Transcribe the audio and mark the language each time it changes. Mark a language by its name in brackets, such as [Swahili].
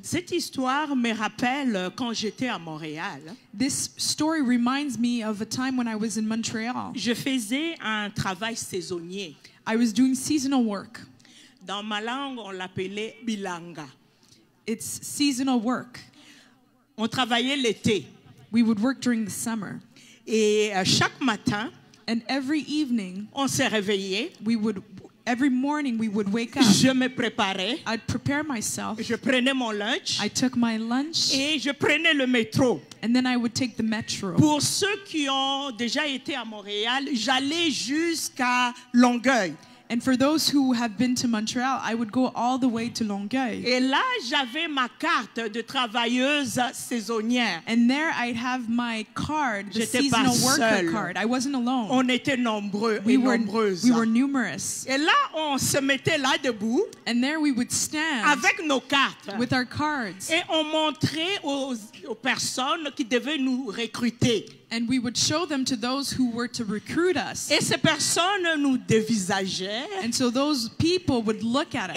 [French] Cette histoire me rappelle quand j'étais à Montréal. [English] This story reminds me of a time when I was in Montreal. [French] Je faisais un travail saisonnier. [English] I was doing seasonal work. [French] Dans ma langue, on l'appelait bilanga. [English] It's seasonal work. [French] On travaillait l'été. [English] We would work during the summer. [French] Et chaque matin, [English] and every evening, [French] on s'est réveillé, [English] we would Every morning we would wake up. [French] Je me préparais. [English] I'd prepare myself. [French] Je prenais mon lunch. [English] I took my lunch. [French] Et je prenais le métro. [English] And then I would take the metro. [French] Pour ceux qui ont déjà été à Montréal, j'allais jusqu'à Longueuil. [English] And for those who have been to Montreal, I would go all the way to Longueuil. [French] Et là, j'avais ma carte de travailleuse saisonnière. [English] And there I'd have my card, the [French] J'étais [English] seasonal [French] pas [English] worker [French] seule. [English] Card. I wasn't alone. [French] On était nombreux et nombreuses. [English] We were numerous. [French] Et là, on se mettait là debout. [English] And there we would stand. [French] Avec nos cartes. [English] With our cards. [French] Et on montrait aux personnes qui devaient nous recruter. [English] And we would show them to those who were to recruit us. [French] Et ces personnes nous dévisageaient. [English] And so those people would look at us.